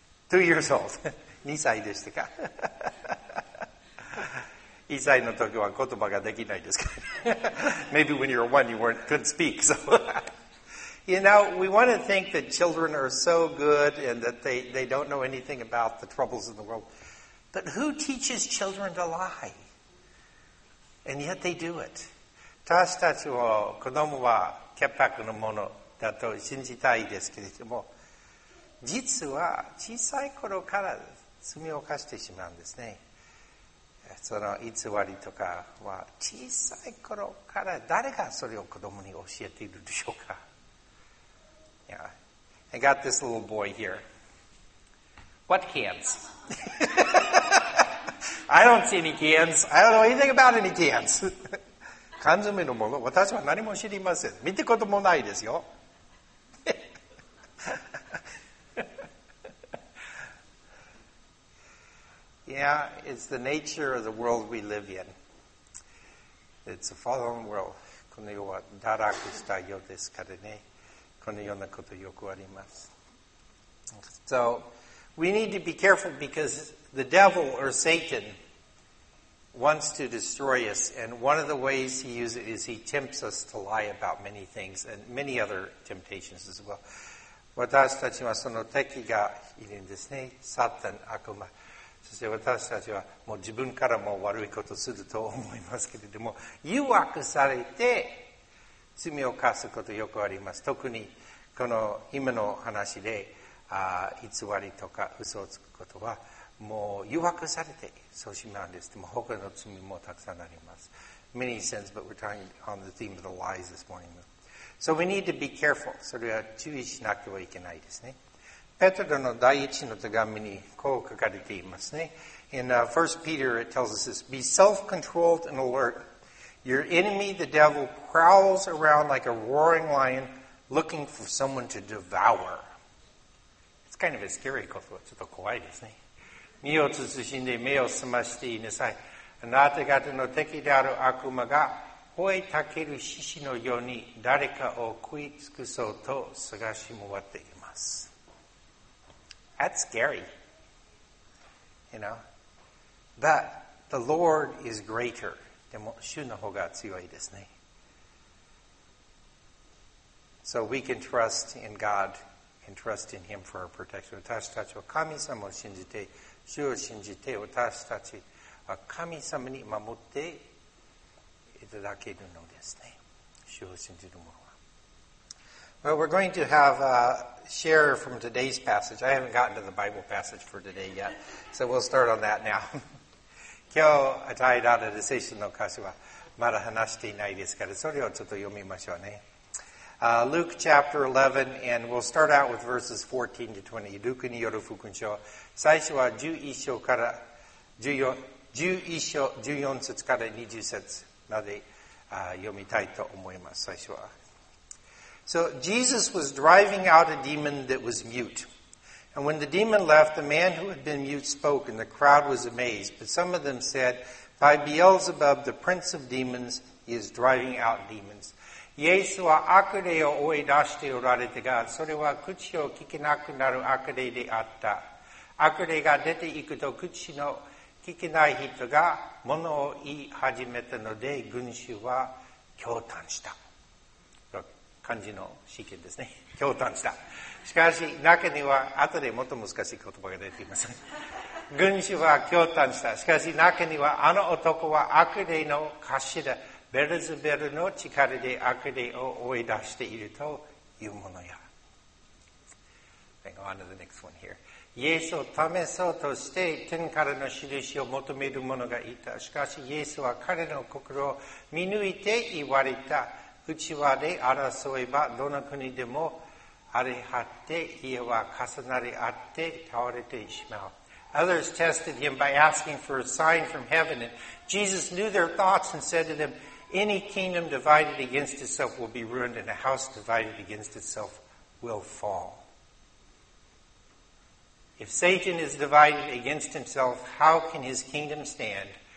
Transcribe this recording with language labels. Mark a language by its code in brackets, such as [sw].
[en] 2 years old. [ja] 2歳でしたか? 1歳のときは言葉ができないですか? [en] Maybe when you were one, you weren't, couldn't speak. So. You know, we want to think that children are so good and that they don't know anything about the troubles in the world. But who teaches children to lie? And yet they do it. [ja] 私たちは子供は潔白のものだと信じたいですけれども、実は小さい頃から罪を犯してしまうんですね。その偽りとかは小さい頃から誰がそれを子供に教えているでしょうか。 [en] Yeah. I got this little boy here. What cans? I don't see any cans. I don't know anything about any cans. [ja] 缶詰のもの、私は何も知りません。見たこともないですよ。 [en] Yeah, it's the nature of the world we live in. It's a fallen world. [ja] この世は堕落した世ですからね。このようなことよくあります。 [en] So, we need to be careful because the devil or Satan... wants to destroy us, and one of the ways he uses it is he tempts us to lie about many things and many other temptations as well. [ja] 私たちはその敵がいるんですね。サタン、悪魔。そして私たちはもう自分からも悪いことすると思いますけれども、誘惑されて罪を犯すことよくあります。特にこの今の話で偽りとか嘘をつくことはもう誘惑されて、そうしまうんです。でも他の罪もたくさんあります。 [en] Many sins, but we're talking on the theme of the lies this morning. So we need to be careful. [ja] それは注意しなくてはいけないですね。ペトロの第一の手紙にこう書かれていますね。 [en] In 1 Peter, it tells us this, be self-controlled and alert. Your enemy, the devil, prowls around like a roaring lion, looking for someone to devour. It's kind of a scary quote. [ja] ちょっと怖いですね。身を慎んで目を澄ましていなさい。あなた方の敵である悪魔が吠えたける獅子のように誰かを食い尽くそうと探し回っています。 [en] That's scary. You know? But the Lord is greater. [ja] でも主の方が強いですね。 [en] So we can trust in God and trust in Him for our protection. [ja] 私たちは神様を信じて、主を信じて、私たちは神様に守っていただけるのですね。主を信じる者は。 [en] Well, we're going to have a share from today's passage. I haven't gotten to the Bible passage for today yet, so we'll start on that now. [ja] 今日与えられる聖書の箇所はまだ話していないですから、それをちょっと読みましょうね。 [en] Luke chapter 11, and we'll start out with verses 14 to 20. [ja] ルクによる福音書、最初は11章から14節まで読みたいと思います、最初は。 [en] So Jesus was driving out a demon that was mute. And when the demon left, the man who had been mute spoke, and the crowd was amazed. But some of them said, by Beelzebub, the prince of demons, he is driving out demons. [ja] イエスは悪霊を追い出しておられたが、それは口を聞けなくなる悪霊であった。悪霊が出ていくと口の聞けない人が物を言い始めたので、群衆は驚嘆した。漢字の詩篇ですね。驚嘆した。しかし、中には、後でもっと難しい言葉が出ています。群衆は驚嘆した。しかし、中には、あの男は悪霊の頭。ベルゼベルの力で悪霊を追い出しているというものや。 [en] Go on to the next one here. [ja] イエスを試そうとして天からの印を求める者がいた。しかしイエスは彼の心を見抜いて言われた。内輪で争えばどの国でも荒れ果て家は重なり合って倒れてしまう。 [en] Others tested him by asking for a sign from heaven, and Jesus knew their thoughts and said to them,Any kingdom divided against itself will be ruined, and a house divided against itself will fall. If Satan is divided against himself, how can his kingdom stand?